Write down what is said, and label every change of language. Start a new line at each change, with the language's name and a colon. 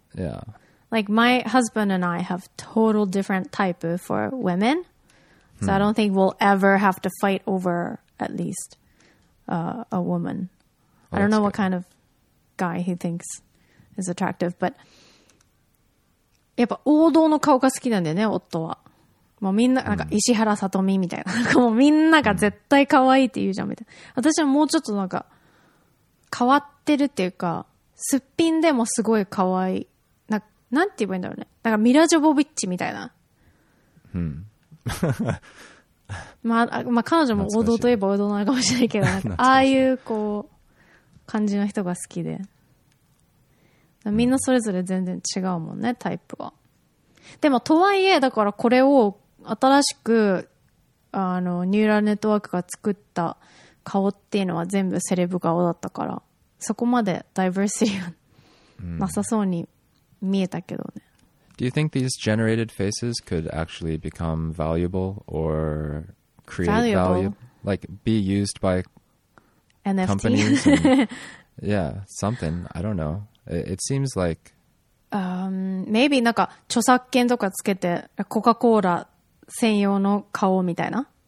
English: Yeah. Like, my husband and I have total different type for women. So I don't think we'll ever have to fight over, at least, a woman. Well, I don't know what kind of guy he thinks is attractive, but
Japanese: やっぱ王道の顔が好きなんだよね、夫は。もうみんな、なんか石原さとみみたいな。もうみんなが絶対可愛いって言うじゃん、みたいな。私はもうちょっとなんか、変わってるっていうか、すっぴんでもすごい可愛い。なんて言えばいいんだろうね。なんかミラ・ジョボビッチみたいな。まあ、彼女も王道といえば王道なのかもしれないけど、ああいうこう感じの人が好きで、みんなそれぞれ全然違うもんね、タイプは。でもとはいえ、だからこれを新しくニューラルネットワークが作った顔っていうのは全部セレブ顔だったから、そこまでダイバーシティはなさそうに見えたけどね。
English: Do you think these generated faces could actually become valuable or create value? Like be used by NFT companies? And, yeah, something. I don't know. It seems like... Maybe
Japanese: なんか著作権とかつけてコカ・コーラ専用の顔みたいな?